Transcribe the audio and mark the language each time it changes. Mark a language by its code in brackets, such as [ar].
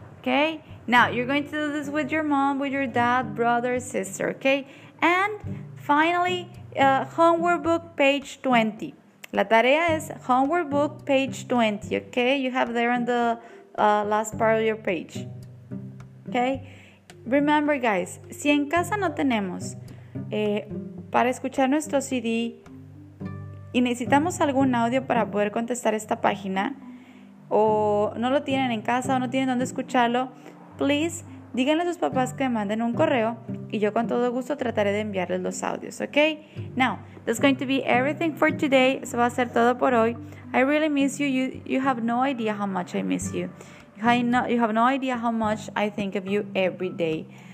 [en] Okay, now you're going to do this with your mom, with your dad, brother, sister. Okay, and finally, homework book page 20. [es] La tarea es [en] homework book page 20. Okay, you have there on the last part of your page. Okay, remember guys, [es] si en casa no tenemos para escuchar nuestro CD y necesitamos algún audio para poder contestar esta página, o no lo tienen en casa o no tienen dónde escucharlo, [en] please [es] díganle a sus papás que manden un correo y yo con todo gusto trataré de enviarles los audios, ¿ok? [en] Now, that's going to be everything for today. [es] Eso va a ser todo por hoy. [en] I really miss you. You have no idea how much I miss you. You have no idea how much I think of you every day.